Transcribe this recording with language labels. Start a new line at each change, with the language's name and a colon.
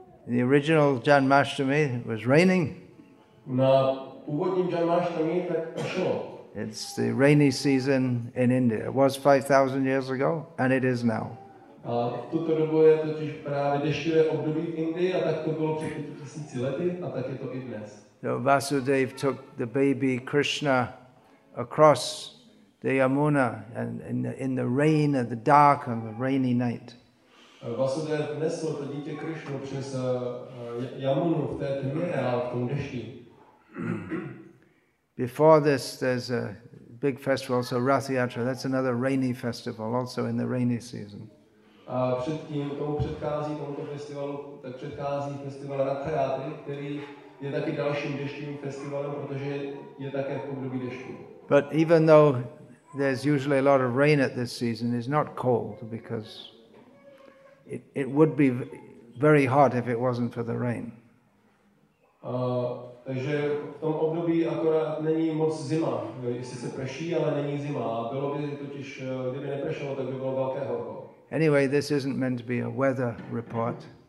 English: The original Janmashtami was raining.
Czech: Na původním Janmashtami tak šlo.
English: It's the rainy season in India. It was 5,000 years ago and it is now.
Czech: A v tuto dobu je totiž právě deštivé období v Indii a tak to bylo před 5000 lety a tak je to i dnes.
English: So Vasudev took the baby Krishna across the Yamuna and in the rain and the dark and the rainy night.
Czech: Vasudev nesl to dítě Krishnu přes Yamunu v té tmě a v tom dešti.
English: Before this there's a big festival, so Rath Yatra, that's another rainy festival also in the rainy season.
Czech: A předtím tomu předchází tomuto festivalu, tak předchází festival Ratha Yatry, který je taky dalším deštivým festivalem, protože je také v období dešťů.
English: But even though there's usually a lot of rain at this season, it's not cold because it would be very hot if it wasn't for the rain.
Czech: Takže v tom období akorát není moc zima, jestli se prší, ale není zima. Bylo by totiž, kdyby nepršelo, tak by bylo velké horko.
English: Anyway, this isn't meant to be a weather report.